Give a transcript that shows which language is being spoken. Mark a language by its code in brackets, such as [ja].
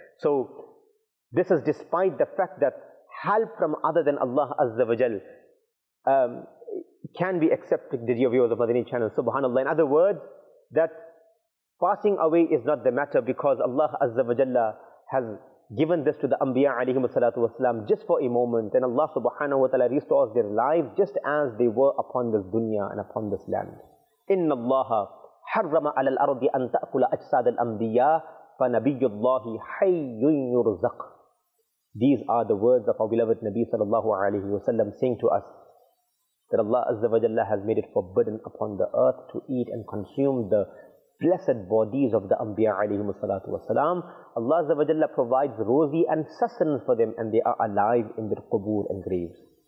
[en] So this is despite the fact that help from other than Allah azza wa jal can be accepted, the dear viewers of Madani channel. Subhanallah. In other words, that passing away is not the matter, because Allah azza wa jalla has given this to the anbiya alayhi salatu wasalam just for a moment, and Allah subhanahu wa ta'ala restores their life just as they were upon this dunya and upon this land. [ar] Inna Allaha حرم على الأرض أن تأكل أجساد الأنبياء فنبي الله حي يرزق. [en] These are the words of our beloved Nabi sallallahu alayhi wa sallam saying to us that Allah azza wa jalla has made it forbidden upon the earth to eat and consume the blessed bodies of the Anbiya alayhi salatu wa sallam. Allah azza wa jalla provides rosy and sustenance for them, and they are alive in their qubur and graves.